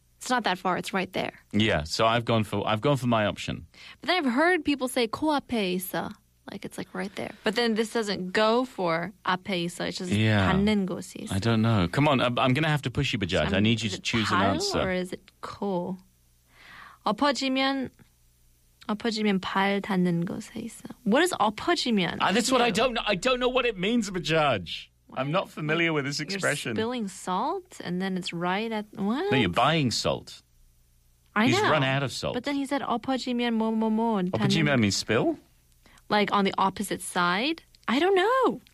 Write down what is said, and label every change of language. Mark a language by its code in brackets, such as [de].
[en] It's not that far, it's right there. Yeah, so I've gone for my option. But then I've heard people say [ko] 코 앞에 있어. [en] Like it's like right there. But then this doesn't go for [ko] 앞에 있어. [en] It's just [ko] 닿는 곳이 있어. [en] I don't know. Come on, I'm going to have to push you, Bajaj. I need you to choose an answer. Or is it 코? [ko] 엎어지면 발 닿는 곳에 있어. [en] What is 엎어지면? That's what I don't know. I don't know what it means, Bajaj. What? I'm not familiar with this expression. You're spilling salt and then it's right at... What? No, you're buying salt. I know. He's run out of salt. But then he said [ko] 엎어지면 뭐뭐뭐. [en] 엎어지면 means spill? Like on the opposite side? I don't know.